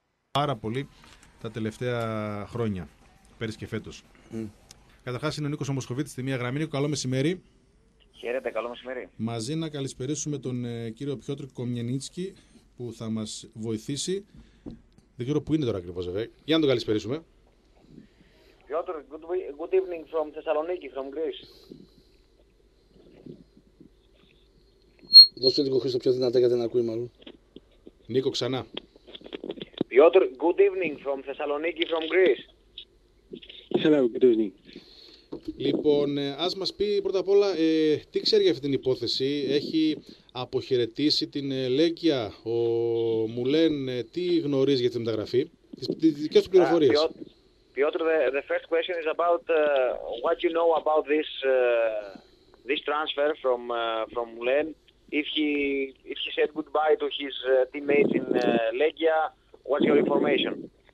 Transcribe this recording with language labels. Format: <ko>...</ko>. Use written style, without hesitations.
<el>πάρα πολύ τα τελευταία χρόνια, πέρυσι και φέτος. Καταρχάς είναι ο Νίκος Μοσχοβίτης στη μία γραμμή. Νίκο, καλό μεσημέρι. Χαίρετε, καλό μεσημέρι. Μαζί να καλησπερίσουμε τον κύριο Πιότρ Κομιανίτσκι που θα μας βοηθήσει. Δεν ξέρω πού είναι τώρα ακριβώς, βέβαια. Για να τον καλησπερίσουμε.</el> <en>Πιότρ, good evening from Thessaloniki, from Greece.</en> <el>Δώστε λίγο Χρήστο πιο δυνατά γιατί δεν ακούει μάλλον. Νίκο ξανά.</el> <en>Πιότρ, good evening from Thessaloniki, from Greece. Hello, good evening.</en> <el>Λοιπόν, ας μας πει πρώτα απ' όλα, τι ξέρει για αυτή την υπόθεση. Έχει αποχαιρετήσει την Λέγκια ο Μουλέν, τι γνωρίζει για τη μεταγραφή, τις δικές του πληροφορίες.</el> <en>Πιότρ, the first question is about what you know about this, this transfer from, from Μουλέν. If he said goodbye to his teammates in Legia, what's your information?</en>